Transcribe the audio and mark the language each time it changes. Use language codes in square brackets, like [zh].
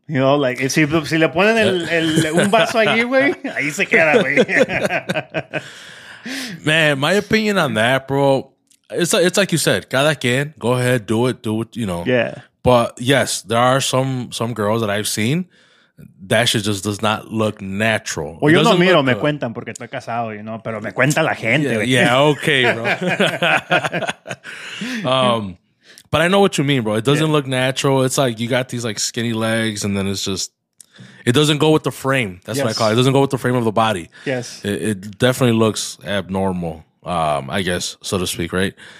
[en] You know, like [es] si le ponen un vaso allí, güey, ahí se queda, güey. [en] Man, my opinion on that, bro, it's like you said, [es] cada quien, [en] go ahead, do it, you know. Yeah. But yes, there are some girls that I've seen. That shit just does not look natural. [es] Well, yo no miro, me cuentan porque estoy casado, [en] you know, [es] pero me cuenta la gente. [en] Yeah, okay, bro. But I know what you mean, bro. It doesn't look natural. It's like you got these like skinny legs and then it's just, it doesn't go with the frame. That's what I call it. It doesn't go with the frame of the body. Yes. It definitely looks abnormal, I guess, so to speak, right?